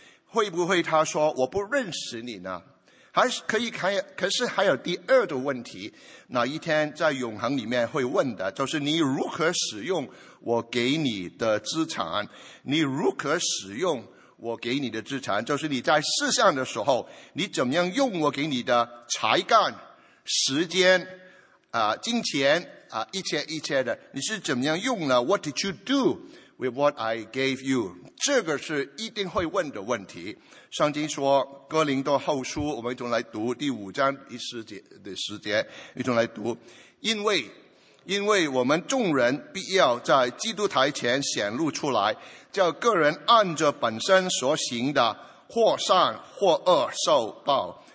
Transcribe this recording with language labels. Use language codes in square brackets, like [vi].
[zh] 会不会他说，我不认识你呢？还是可以看，可是还有第二个问题，哪一天在永恒里面会问的，就是你如何使用我给你的资产，你如何使用我给你的资产，就是你在世上的时候，你怎么样用我给你的才干、时间、金钱、一切一切的，你是怎么样用呢？ [en] What did you do with what I gave you？ [zh] 这个是一定会问的问题。圣经说哥林多后书，我们一同来读第五章第十节的十节，一同来读。因为我们众人必要在基督台前显露出来，叫个人按着本身所行的或善或恶受报。